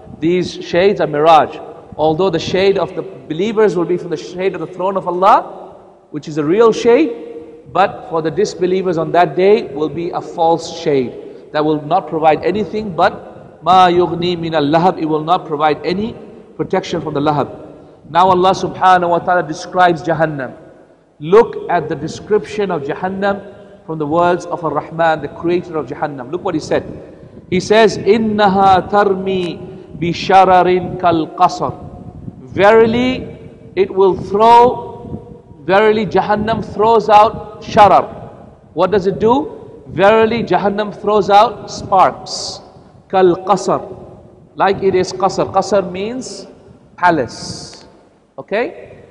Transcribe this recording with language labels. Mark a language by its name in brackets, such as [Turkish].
[English] These shades are mirage. Although the shade of the believers will be from the shade of the throne of Allah, which is a real shade, but for the disbelievers on that day will be a false shade that will not provide anything but ma yughni min al-lahab. It will not provide any protection from the lahab. Now Allah subhanahu wa ta'ala describes Jahannam. Look at the description of Jahannam from the words of Ar-Rahman, the creator of Jahannam. Look what he said. He says, [Arabic] إِنَّهَا تَرْمِي بِشَرَرٍ كَالْقَصَرٍ. [English] Verily, it will throw, verily Jahannam throws out sharar. What does it do? Verily, Jahannam throws out sparks. كَالْقَصَرٍ. Like it is qasr. Qasr means palace. Okay?